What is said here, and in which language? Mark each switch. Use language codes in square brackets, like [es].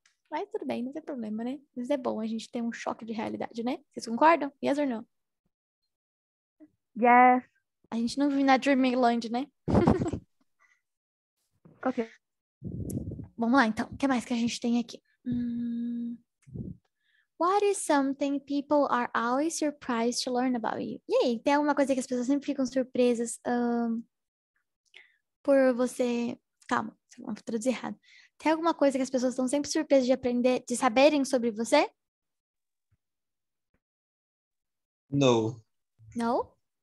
[pt] Mas tudo bem, não tem problema, né? Mas é bom a gente ter um choque de realidade, né? Vocês concordam? [en] Yes or no? Yes. [pt] A gente não vive na Dreamland, né? Ok. Vamos lá, então. O que mais que a gente tem aqui? [en] What is something people are always surprised to learn about you? [pt] E aí, tem alguma coisa que as pessoas sempre ficam surpresas por você... Calma, vou traduzir errado. Tem alguma coisa que as pessoas estão sempre surpresas de aprender, de saberem sobre você? [en] No. No?